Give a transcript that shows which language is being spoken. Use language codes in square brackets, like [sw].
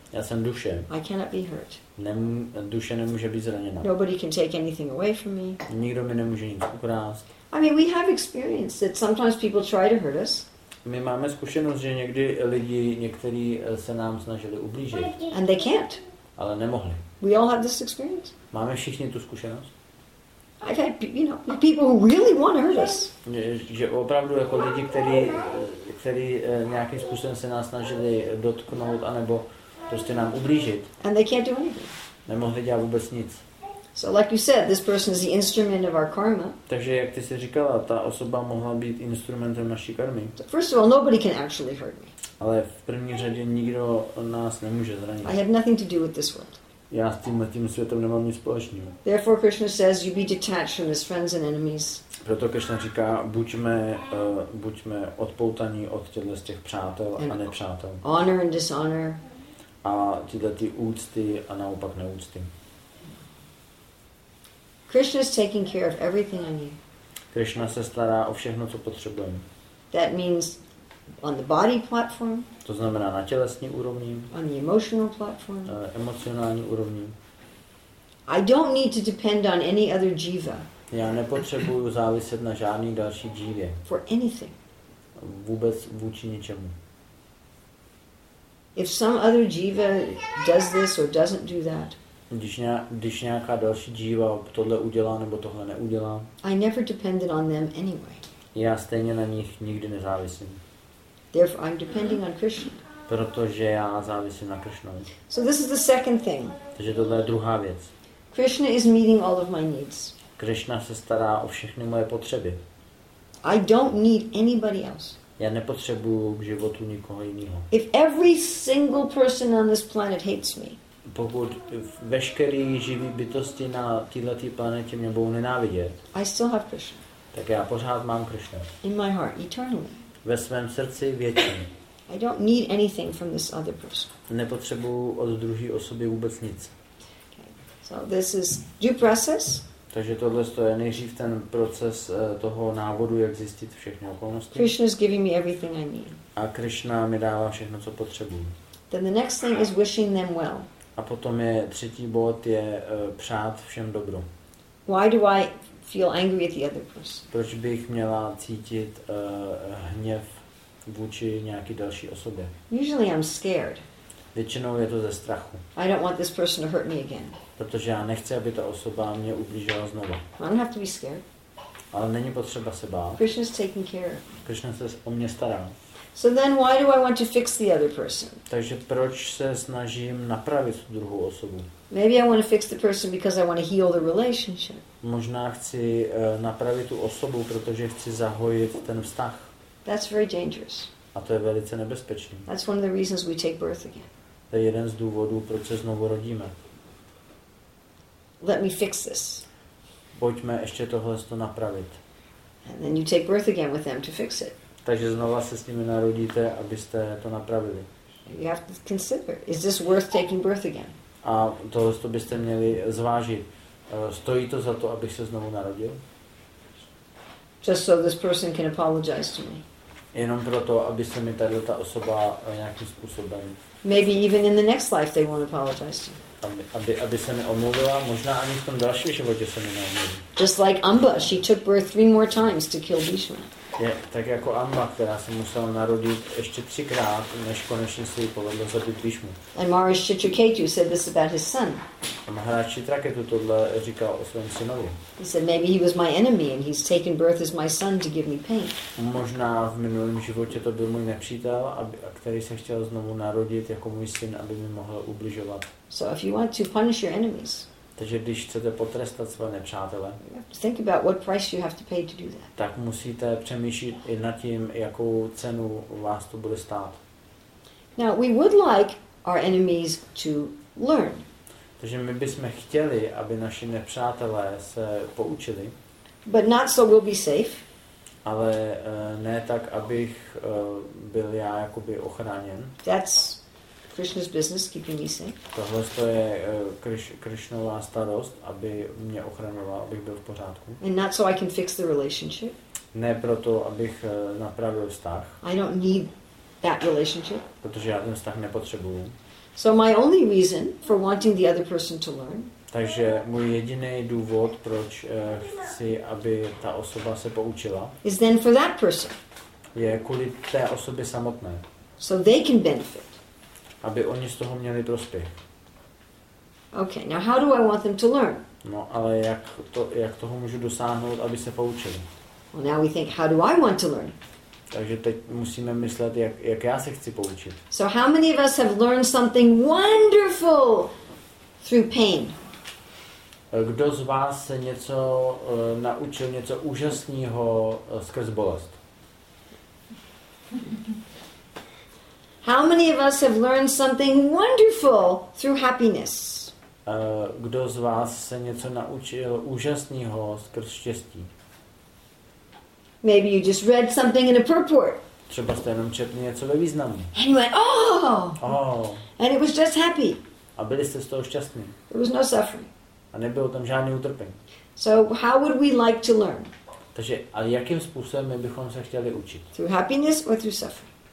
[cs] Já jsem duše. [en] I cannot be hurt. [cs] Duše nemůže být zraněna. [en] Nobody can take anything away from me. [cs] Nikdo mi nemůže nic ukrást. [en] I mean, we have experience that sometimes people try to hurt us. [cs] My máme zkušenost, že někdy lidi, někteří se nám snažili ublížit. [en] And they can't. [cs] Ale nemohli. [en] We all have this experience. [cs] Máme všichni tu zkušenost. [en] I've had, people who really want to hurt us. [cs] Že opravdu jako lidi, kteří nějakým způsobem se nás snažili dotknout anebo prostě nám ublížit. [en] And they can't do anything. [cs] Nemohli dělat vůbec nic. [en] So like you said, this person is the instrument of our karma. [cs] Takže jak ty jsi říkala, ta osoba mohla být instrumentem naší karmy. [en] First of all, nobody can actually hurt me. [cs] Ale v první řadě nikdo nás nemůže zranit. [en] I have nothing to do with this world. [cs] Já s tímhletím světem nemám nic společného. [en] Therefore Krishna says you be detached from his friends and enemies. [cs] Proto Krishna říká buďme odpoutaní od těch přátel a nepřátel. [en] Honor and dishonor. [cs] A ty úcty a naopak neúcty. [en] Krishna is taking care of everything I need. [cs] Krishna se stará o všechno, co potřebujeme. [en] That means on the body platform. [cs] To znamená na tělesní úrovni. [en] On the emotional platform. [cs] Emocionální úrovni. [en] I don't need to depend on any other jiva. [cs] Já nepotřebuju záviset na žádný další jivě. [en] For anything. [cs] Vůbec vůči ničemu. [en] If some other jiva does this or doesn't do that. [cs] Když nějaká další jiva tohle udělá nebo tohle neudělá. [en] I never depended on them anyway. [cs] Já stejně na nich nikdy nezávisím. [en] Therefore, I'm depending on Krishna. [cs] Protože já závisím na Krishnovi. [en] So this is the second thing. [cs] Takže tohle je druhá věc. [en] Krishna is meeting all of my needs. [cs] Krishna se stará o všechny moje potřeby. [en] I don't need anybody else. [cs] Já nepotřebuju k životu nikoho jiného. [en] If every single person on this planet hates me. [cs] Pokud veškeré živé bytosti na této planetě mě budou nenávidět. [en] I still have Krishna. [cs] Tak já pořád mám Krishna. [en] In my heart eternally. [cs] Ve svém srdci věčně. [en] I don't need anything from this other person. [cs] Nepotřebuju od druhé osoby vůbec nic. [en] So this is due process. [cs] Takže tohle je nejdřív ten proces toho návodu, jak zjistit všechny okolnosti. [en] Krishna is giving me everything I need. [cs] A Krishna mi dává všechno, co potřebuji. [en] Then the next thing is wishing them well. [cs] A potom je třetí bod je přát všem dobro. [en] Why do I feel angry at the other person? [cs] Proč bych měla cítit hněv vůči nějaký další osobě? [en] Usually I'm scared. [cs] Většinou je to ze strachu. [en] I don't want this person to hurt me again. [cs] Protože já nechci, aby ta osoba mě ublížila znova. [en] I don't have to be scared. [cs] Ale není potřeba se bát. [en] Krishna's taking care. [cs] Krishna se o mě stará. [en] So then why do I want to fix the other person? [cs] Takže proč se snažím napravit tu druhou osobu? [en] Maybe I want to fix the person because I want to heal the relationship. [cs] Možná chci napravit tu osobu, protože chci zahojit ten vztah. [en] That's very dangerous. [cs] A to je velice nebezpečné. [en] That's one of the reasons we take birth again. [cs] To je jeden z důvodů, proč se znovu rodíme. [en] Let me fix this. [cs] Pojďme ještě tohle to napravit. [en] And then you take birth again with them to fix it. [cs] Takže znova se s nimi narodíte, abyste to napravili. [en] You have to consider, is this worth taking birth again? [cs] A tohle to byste měli zvážit. Stojí to za to, abych se znovu narodil? [en] Just so this person can apologize to me. [cs] Jenom proto, aby se mi tady ta osoba nějakým způsobem. [en] Maybe even in the next life they won't apologize to me. [cs] Aby se mi omluvila, možná ani v tom dalším životě se mi neomluví. [en] Just like Amba, she took birth three more times to kill Bhishma. [cs] Je, tak jako Amba, která se musela narodit ještě třikrát, než konečně se jí povedlo zabít Bhishmu. [en] And Maharaj Chitraketu said this about his son. [cs] Maharaj Chitraketu tohle říkal o svém synovi. [en] He said maybe he was my enemy and he's taken birth as my son to give me pain. [cs] Možná v minulém životě to byl můj nepřítel, který se chtěl znovu narodit jako můj syn, aby mi mohl ubližovat. [en] So if you want to punish your enemies. [cs] Takže když chcete potrestat své nepřátele. [en] Think about what price you have to pay to do that. [cs] Tak musíte přemýšlet i nad tím, jakou cenu vás to bude stát. [en] Now we would like our enemies to learn. [cs] Takže my bychom chtěli, aby naši nepřátelé se poučili. [en] But not so we'll be safe. [cs] Ale ne tak, abych byl já jakoby ochráněn. [en] That's Krishna's business, keeping me safe. [cs] Tohle je Krishnova starost, aby mě ochraňoval, abych byl v pořádku. [en] And not so I can fix the relationship. [cs] Ne proto, abych napravil vztah. [en] I don't need that relationship. [cs] Protože já ten vztah nepotřebuju. [en] So my only reason for wanting the other person to learn. [cs] Takže můj jediný důvod, proč chci, aby ta osoba se poučila. [en] Is then for that person. [cs] Je kvůli té osobě samotné. [en] So they can benefit. [cs] Aby oni z toho měli prospěch. [en] Okay, now how do I want them to learn? [cs] No, ale jak toho můžu dosáhnout, aby se poučili? [en] Well, now we think, how do I want to learn? [cs] Takže teď musíme myslet, jak já se chci poučit. [en] So how many of us have learned something wonderful through pain? [cs] Kdo z vás se něco naučil něco úžasného skrz bolest? [en] How many of us have learned something wonderful through happiness? [cs] Kdo z vás se něco naučil úžasného skrz štěstí? [en] Maybe you just read something in a purport. [cs] Třeba jste jenom četli něco ve významu. [en] And you went, oh! Oh! And it was just happy. [cs] A byli jste z toho šťastní. [en] There was no suffering. [cs] A nebylo tam žádný utrpení. [en] So how would we like to learn? [cs] Takže a jakým způsobem bychom se chtěli učit? [en] Through happiness or through suffering?